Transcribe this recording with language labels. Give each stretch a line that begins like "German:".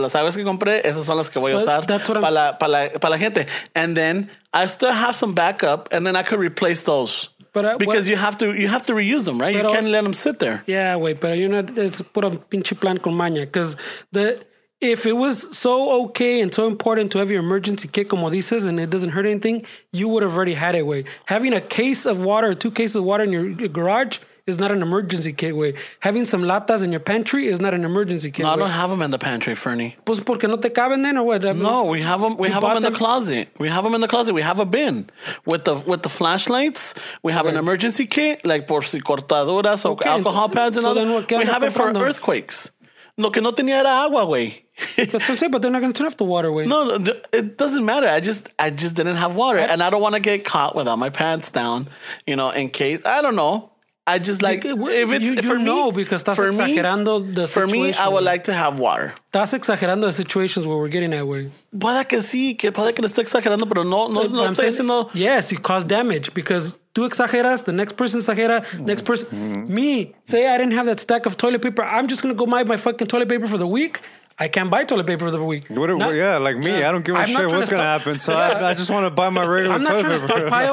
Spanish: Las aguas que compré, esas son las que voy a usar para la gente.
English: And then I still have some backup and then I could replace those. Because you have to reuse them, right? You can't let them sit there. Yeah, wait, but you know, it's put a
Spanish: pinche plan con maña
English: because if it was so okay and so important to have your emergency kit,
Spanish: como dices,
English: and it doesn't hurt anything, you would have already had it. Having a case of water, two cases of water in your garage is not an emergency kit, güey. Having some latas in your pantry is not an emergency kit. No, I don't have them in the pantry, Fernie.
Spanish: Pues porque no te caben then,
English: or what? No, we have them. We have them in the closet. We have them in the closet. We have a bin with the flashlights. We have an emergency kit, like
Spanish: por si cortaduras
English: or alcohol pads and all that. We have it for earthquakes.
Spanish: Lo que no tenía era agua, güey.
English: But don't say, but they're not going to turn off the water, wait. No, it doesn't matter. I just didn't have water. And I don't want to get caught without my pants down, you know, in case. I don't know. I just like, if it's you for know me, because that's for exagerando me, the situation. For me, I would like to have water. That's exagerando the situations where we're getting that way.
Spanish: Puede que sí, que puede que esté exagerando, pero no estoy diciendo.
English: Yes, you cause damage because
Spanish: tú exageras,
English: the next person exagera, next person. Mm-hmm. Me, say I didn't have that stack of toilet paper. I'm just going to go buy my fucking toilet paper for the week. I can't buy toilet paper for the week. I don't give a shit what's going to happen. So I just want to buy my regular toilet paper. I'm not trying to stockpile